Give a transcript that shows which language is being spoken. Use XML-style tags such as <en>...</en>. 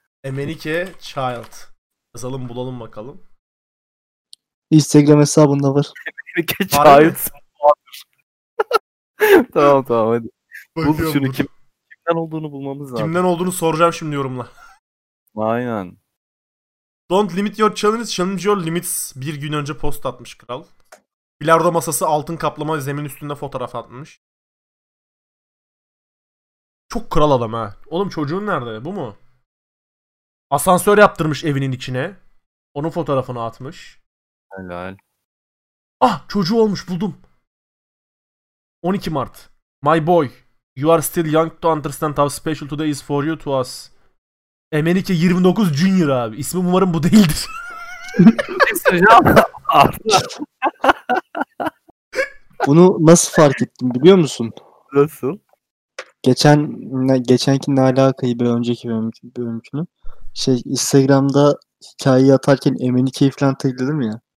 <en>MNK Child.</en> <tr>Yazalım bulalım bakalım. Instagram hesabında var. Geç ait. Tamam tamam hadi. Bul şunu, kimden olduğunu bulmamız lazım. Kimden olduğunu soracağım şimdi yorumla. Aynen.</tr> <en>Don't limit your challenge, challenge your limits.</en> <tr>Bir gün önce post atmış kral. Bilardo masası altın kaplama zemin üstünde fotoğraf atmış. Çok kral adam ha. Oğlum çocuğun nerede? Bu mu? Asansör yaptırmış evinin içine. Onun fotoğrafını atmış. Helal. Ah çocuğu olmuş buldum. 12 Mart.</tr> <en>My boy, you are still young to understand how special today is for you to us.</en> <tr>Emenike 29 Junior abi. İsmi umarım bu değildir. Bunu nasıl fark ettim biliyor musun? Nasıl? Geçenki Nalaka'yı bir önceki bölümünü. Şey Instagram'da hikayeyi atarken Emenike'yi falan tagledim ya.</tr>